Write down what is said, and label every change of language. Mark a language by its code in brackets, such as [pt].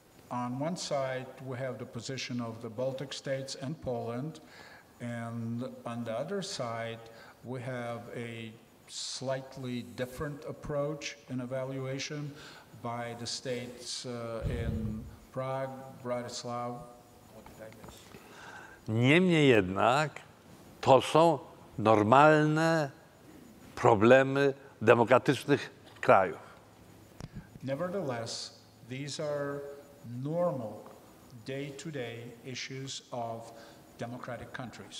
[en] On one side we have the position of the Baltic states and Poland, and on the other side we have a slightly different approach in evaluation by the states in Prague, Bratislava. [pl] Niemniej jednak to są normalne problemy demokratycznych krajów. [en] Nevertheless, these are normal day-to-day issues of democratic countries.